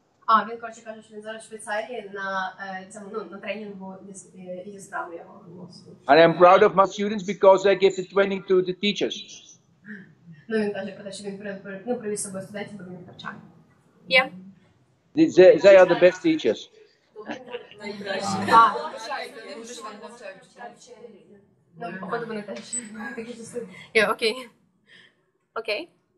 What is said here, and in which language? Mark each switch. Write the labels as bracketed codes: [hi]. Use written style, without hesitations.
[uk] А, він, коротше, каже, що він зараз в Швейцарії на цьому, ну, на тренінгу із справи його. [en] And I'm proud of my students because I give the training to the teachers. [uk] Ну, він каже, про те, що він ну, привіз з собою студентів, бо він навчає. [en] They are the best teachers. [uk] Найкращі. Так, вони дуже швидко навчають. Ну, походу, вони теж. [en] Yeah, okay. Okay.